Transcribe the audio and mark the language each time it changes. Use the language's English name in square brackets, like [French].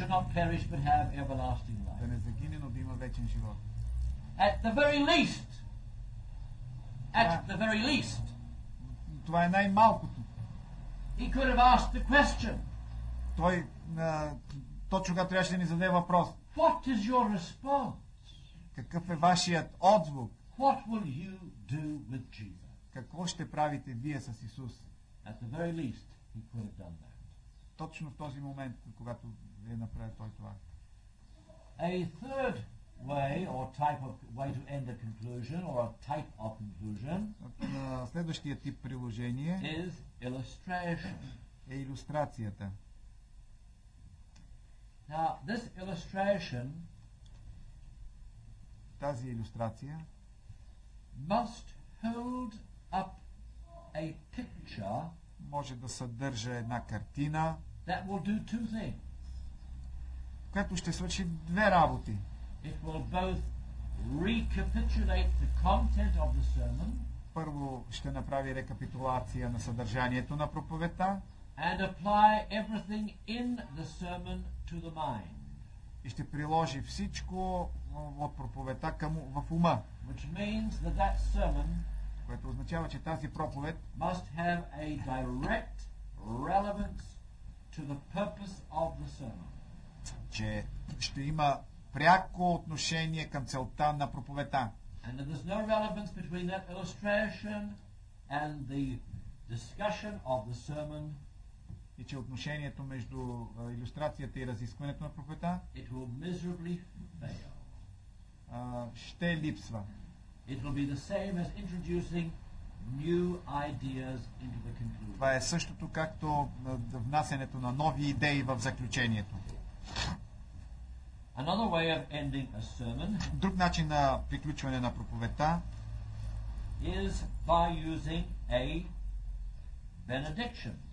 [English] should not perish, but have everlasting life. [Bulgarian] Да не загине, но да има вечен живот. [English] At the very least, at the very least, [Bulgarian] това е най-малкото. [English] He could have asked the question. [Bulgarian] Той точно когато трябваше да ни зададе въпрос. [English] What is your response? [Bulgarian] Какъв е вашият отзвук? [English] What will you do with Jesus? [Bulgarian] Какво ще правите вие с Исус? [English] At the very least, he could have done that. [Bulgarian] Точно в този момент, когато е направил той това. [English] A third way or type of way to end a conclusion or a type of conclusion. [Bulgarian] Следващия тип приложение [English] is illustration. [Bulgarian] Е илюстрацията. [English] Now this illustration, [Bulgarian] тази илюстрация, [English] must hold up a picture, [Bulgarian] може да съдържа една картина, [English] that will do two things. [Bulgarian] Която ще свърши две работи. [English] It will both recapitulate the content of the sermon. [Bulgarian] Първо ще направи рекапитулация на съдържанието на проповедта. [English] And apply everything in the sermon to the mind. [Bulgarian] И ще приложи всичко от проповедта към, в ума. [English] Which means that that sermon, [Bulgarian] което означава, че тази проповед [English] must have a direct relevance to the purpose of the sermon. [Bulgarian] Че ще има пряко отношение към целта на проповедта. [English] And there's no relevance between that illustration and the discussion of the sermon. [Bulgarian] И че отношението между илюстрацията и разискването на проповедта, [English] it will miserably fail. [Bulgarian] Ще липсва. [English] It will be the same as introducing new ideas into the conclusion. [Bulgarian] Това е същото както внасянето на нови идеи в заключението. [English] Another way of ending a sermon, [Bulgarian] друг начин на приключване на проповедта, [English] is by using a benediction.